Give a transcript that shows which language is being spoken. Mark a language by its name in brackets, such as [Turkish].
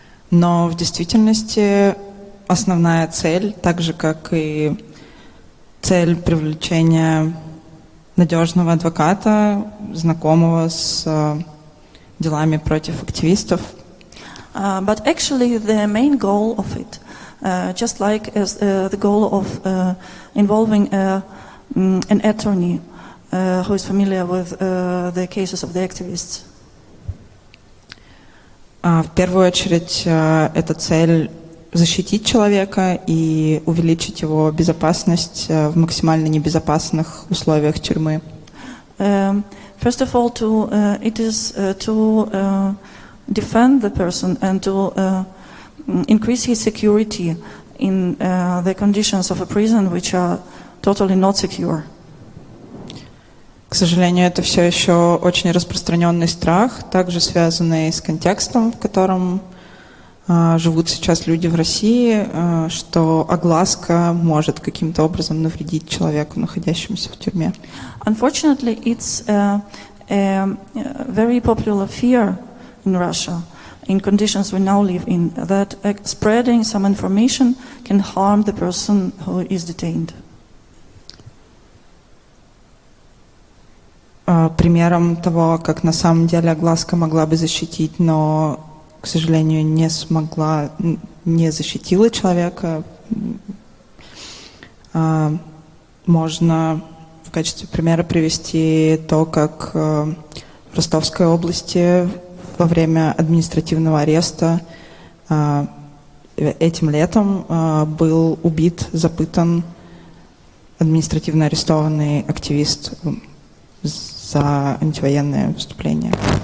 [Russian] Но в действительности основная цель, так же как и цель привлечения надежного адвоката, знакомого с делами против активистов. [English] But actually the main goal of it, just like as the goal of involving an attorney who is familiar with the cases of the activists. [Russian] В первую очередь это цель защитить человека и увеличить его безопасность в максимально небезопасных условиях тюрьмы. [English] First of all, to it is to defend the person and to increase his security in the conditions of a prison which are totally not secure. [Russian] К сожалению, это все еще очень распространенный страх, также связанный с контекстом, в котором живут сейчас люди в России, что огласка может каким-то образом навредить человеку, находящемуся в тюрьме. [English] Unfortunately, it's a very popular fear in Russia, in conditions we now live in, that spreading some information can harm the person who is detained. [Russian] Примером того, как на самом деле огласка могла бы защитить, но, к сожалению, не смогла, не защитила человека, можно в качестве примера привести то, как в Ростовской области во время административного ареста этим летом был убит, запытан административно арестованный активист за антивоенное выступление.